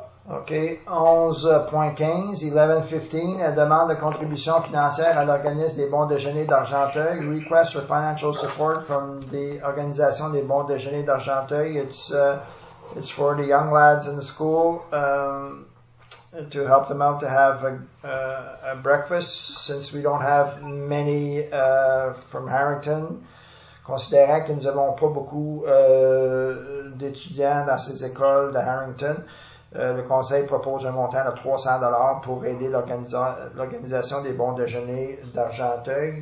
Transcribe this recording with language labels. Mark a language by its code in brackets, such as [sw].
[fr] OK, 11.15, 11.15, elle demande de contribution financière à l'organisme des bons déjeuners d'Argenteuil. [en] Request for financial support from the organisation des bons déjeuners d'Argenteuil. It's for the young lads in the school to help them out to have a breakfast, since we don't have many from Harrington. [fr] Considérant que nous n'avons pas beaucoup d'étudiants dans ces écoles de Harrington, le conseil propose un montant de 300 $ pour aider l'organisation des bons déjeuners d'Argenteuil.